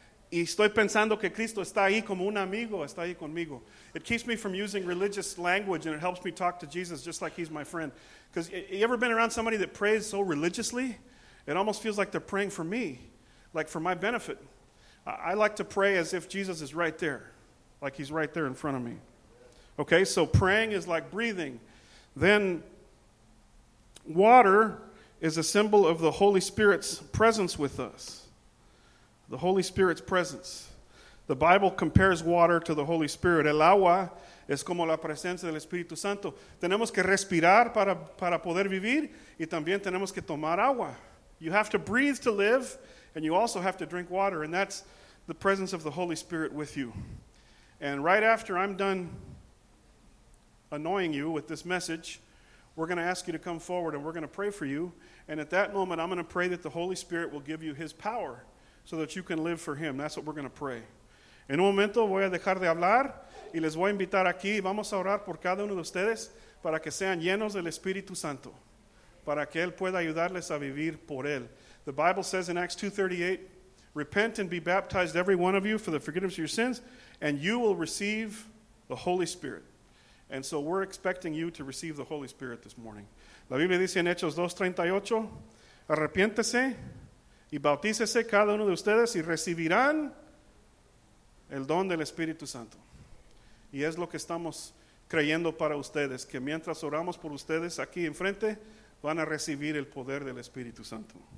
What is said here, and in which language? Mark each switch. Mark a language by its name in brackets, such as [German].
[Spanish] Y estoy pensando que Cristo está ahí como un amigo, está ahí conmigo. [English] It keeps me from using religious language and it helps me talk to Jesus just like he's my friend. Because you ever been around somebody that prays so religiously? It almost feels like they're praying for me, like for my benefit. I like to pray as if Jesus is right there, like he's right there in front of me. Okay, so praying is like breathing. Then water is a symbol of the Holy Spirit's presence with us. The Holy Spirit's presence. The Bible compares water to the Holy Spirit. [Spanish] El agua es como la presencia del Espíritu Santo. Tenemos que respirar para poder vivir y también tenemos que tomar agua. [English] You have to breathe to live and you also have to drink water, and that's the presence of the Holy Spirit with you. And right after I'm done annoying you with this message, we're going to ask you to come forward and we're going to pray for you. And at that moment, I'm going to pray that the Holy Spirit will give you his power so that you can live for him. That's what we're going to pray. [Spanish] En un momento voy a dejar de hablar y les voy a invitar aquí. Vamos a orar por cada uno de ustedes para que sean llenos del Espíritu Santo, para que él pueda ayudarles a vivir por él. [English] The Bible says in Acts 2:38, repent and be baptized every one of you for the forgiveness of your sins, and you will receive the Holy Spirit. And so we're expecting you to receive the Holy Spirit this morning. [Spanish] La Biblia dice en Hechos 2:38, arrepiéntese y bautícese cada uno de ustedes y recibirán el don del Espíritu Santo. y es lo que estamos creyendo para ustedes, que mientras oramos por ustedes aquí enfrente, van a recibir el poder del Espíritu Santo.